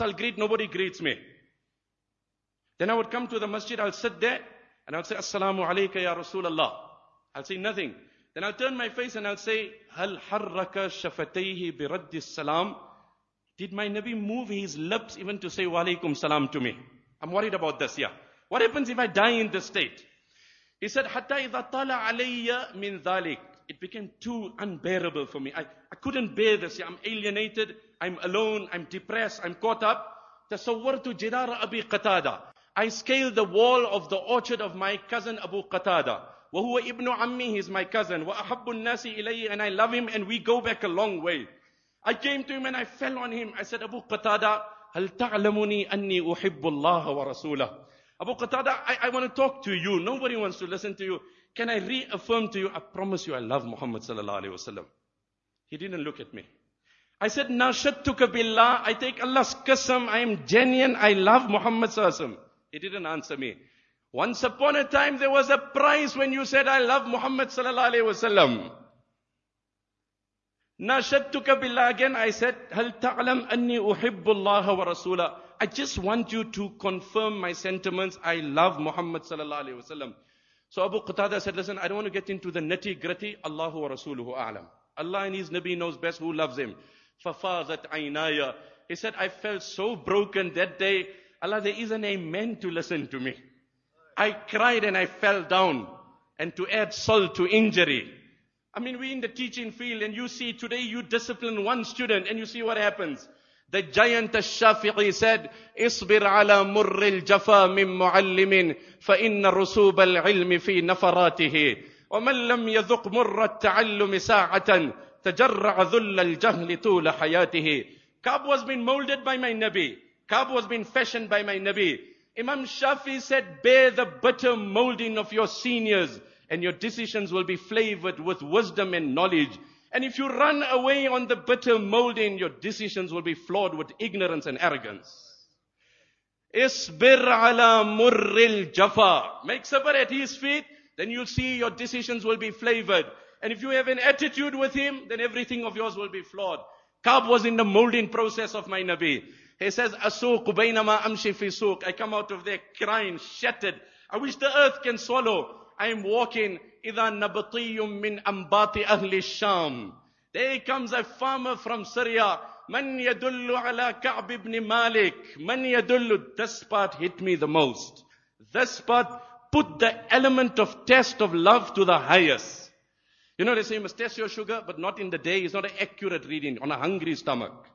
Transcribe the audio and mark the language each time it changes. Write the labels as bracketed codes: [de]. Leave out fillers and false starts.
[en] I'll greet, nobody greets me. Then I would come to the masjid, I'll sit there, and I'll say, Assalamu alayka ya Rasulallah. I'll say nothing. Then I'll turn my face and I'll say, [ar] هَلْ حَرَّكَ شَفَتَيْهِ بِرَدِّ السَّلَامِ. [en] Did my Nabi move his lips even to say, Wa alaykum salam to me? I'm worried about this, yeah. What happens if I die in this state? He said, [ar] حتى إذا طال علي من ذلك. [en] It became too unbearable for me. I couldn't bear this. I'm alienated. I'm alone. I'm depressed. I'm caught up. [ar] تصورت جدار أبي قتادة. [en] I scaled the wall of the orchard of my cousin Abu Qatada. [ar] وهو ابن عمي, [en] he's my cousin. [ar] وأحب الناس إليه, [en] and I love him, and we go back a long way. I came to him and I fell on him. I said, Abu Qatada, [ar] هل تعلمني أني أحب الله ورسوله? [en] Abu Qatada, I want to talk to you. Nobody wants to listen to you. Can I reaffirm to you? I promise you I love Muhammad sallallahu alayhi wa sallam. He didn't look at me. I said, [ar] ناشدتك بالله. [en] I take Allah's qasam. I am genuine. I love Muhammad sallallahu alayhi wa sallam. He didn't answer me. Once upon a time, there was a price when you said, I love Muhammad sallallahu alayhi wa sallam. [ar] ناشدتك بالله. [en] Again, I said, [ar] هل تعلم أني أحب الله ورسوله? [en] I just want you to confirm my sentiments. I love Muhammad sallallahu alayhi wa sallam. So Abu Qatada said, listen, I don't want to get into the nitty gritty. [ar] Allahu wa rasuluhu a'lam. [en] Allah and his Nabi knows best who loves him. [ar] Fafazat aynaya. [en] He said, I felt so broken that day. Allah, there isn't a man to listen to me. I cried and I fell down. And to add salt to injury. I mean, we're in the teaching field and you see today you discipline one student and you see what happens. The giant al-Shafi'i said, [ar] اصبر على مر الجفا من معلم فإن رسوب العلم في نفراته ومن لم يذق مر التعلم ساعة تجرع ذل الجهل طول حياته. [en] Kaab was been molded by my Nabi. Kaab was been fashioned by my Nabi. Imam Shafi said, bear the bitter molding of your seniors and your decisions will be flavored with wisdom and knowledge. And if you run away on the bitter molding, your decisions will be flawed with ignorance and arrogance. [ar] اصبر على مر الجفا. [en] Make sabr at his feet, then you'll see your decisions will be flavored. And if you have an attitude with him, then everything of yours will be flawed. Kaab was in the molding process of my Nabi. He says, [ar] أسوق بينما أمشي في سوق. [en] I come out of there crying, shattered. I wish the earth can swallow. I am walking. [ar] إذا نبطي من أنباط أهل الشام. [en] There comes a farmer from Syria. [ar] من يدل على كعب بن مالك. من يدل. [en] This part hit me the most. This part put the element of test of love to the highest. You know, they say you must test your sugar, but not in the day. It's not an accurate reading on a hungry stomach.